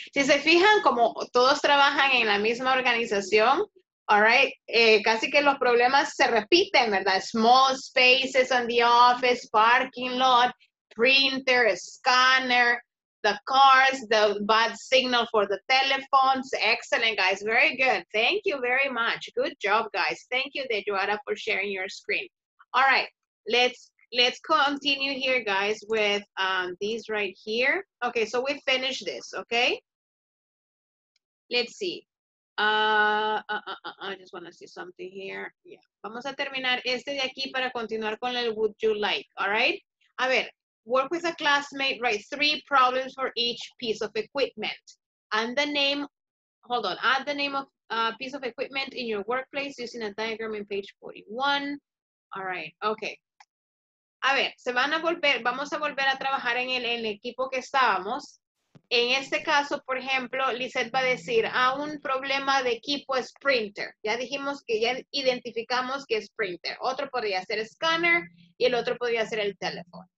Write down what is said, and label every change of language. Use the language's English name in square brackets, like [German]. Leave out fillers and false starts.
[Spanish] Si se fijan, como todos trabajan en la misma organización, [English] all right, [Spanish] casi que los problemas se repiten, ¿verdad? [English] Small spaces in the office, parking lot, printer, scanner, the cars, the bad signal for the telephones. Excellent, guys. Very good. Thank you very much. Good job, guys. Thank you, Deyuara, for sharing your screen. All right. Let's continue here, guys, with these right here. Okay, so we finished this, okay? Let's see. I just want to see something here. Yeah. [Spanish] Vamos a terminar este de aquí para continuar con el [English] would you like, all right? [Spanish] A ver, [English] work with a classmate, write three problems for each piece of equipment. And the name, hold on, add the name of a piece of equipment in your workplace using a diagram in page 41. All right, okay. [Spanish] A ver, vamos a volver a trabajar en el equipo que estábamos. En este caso, por ejemplo, Lizette va a decir, un problema de equipo es printer. Ya dijimos que ya identificamos que es printer. Otro podría ser scanner y el otro podría ser el teléfono.